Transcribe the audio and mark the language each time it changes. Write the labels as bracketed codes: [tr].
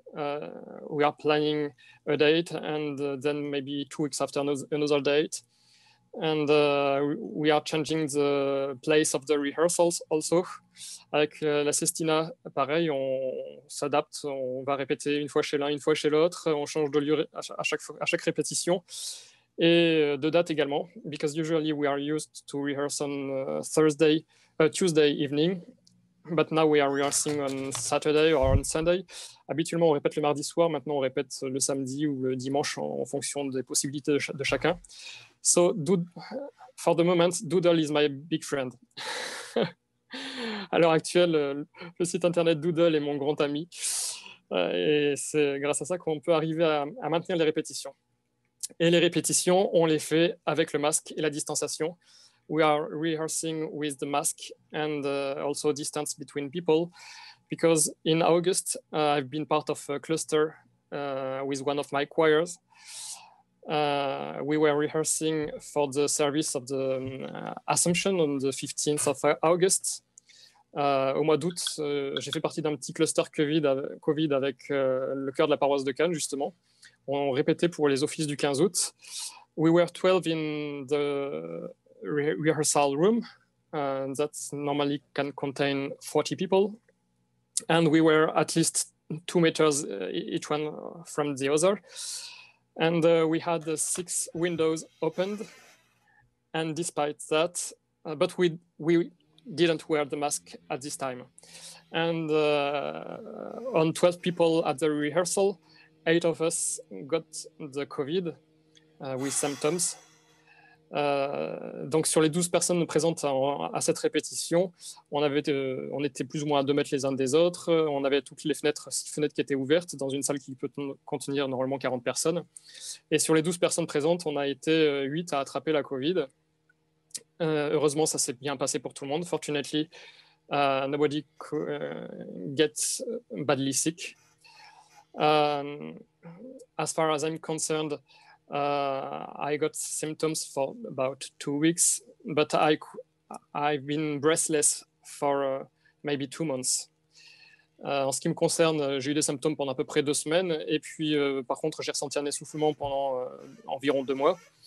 [en] We are planning a date and then maybe 2 weeks after another date. And we are changing the place of the rehearsals also. [fr] Avec la Sestina, pareil, on s'adapte, on va répéter une fois chez l'un, une fois chez l'autre, on change de lieu à chaque répétition et de date également. [en] Because usually we are used to rehearse on Tuesday evening. But now we are rehearsing on Saturday or on Sunday. [fr] Habituellement, on répète le mardi soir. Maintenant, on répète le samedi ou le dimanche en fonction des possibilités de chacun. [en] So, for the moment, Doodle is my big friend. [fr] À l'heure actuelle, le site internet Doodle est mon grand ami. Et c'est grâce à ça qu'on peut arriver à maintenir les répétitions. Et les répétitions, on les fait avec le masque et la distanciation. [en] We are rehearsing with the mask and also distance between people because in August I've been part of a cluster with one of my choirs. We were rehearsing for the service of the Assumption on the 15th of August. [fr] Au mois d'août, j'ai fait partie d'un petit cluster COVID avec le chœur de la paroisse de Cannes, justement. On répétait pour les offices du 15 août. [en] We were 12 in the rehearsal room that normally can contain 40 people, and we were at least 2 meters each one from the other, and we had the 6 windows opened, and despite that, but we didn't wear the mask at this time, and on 12 people at the rehearsal, 8 of us got the COVID with symptoms. [fr] Donc sur les 12 personnes présentes à cette répétition, on était plus ou moins à 2 mètres les uns des autres, on avait toutes les fenêtres, 6 fenêtres qui étaient ouvertes dans une salle qui peut contenir normalement 40 personnes. Et sur les 12 personnes présentes, on a été 8 à attraper la COVID. Heureusement, ça s'est bien passé pour tout le monde. [en] Fortunately, nobody gets badly sick. As far as I'm concerned, I got symptoms for about 2 weeks, but I've been breathless for maybe 2 months. [fr] En ce qui me concerne, j'ai eu des symptômes pendant à peu près 2 semaines, et puis par contre, j'ai ressenti un essoufflement pendant environ 2 mois.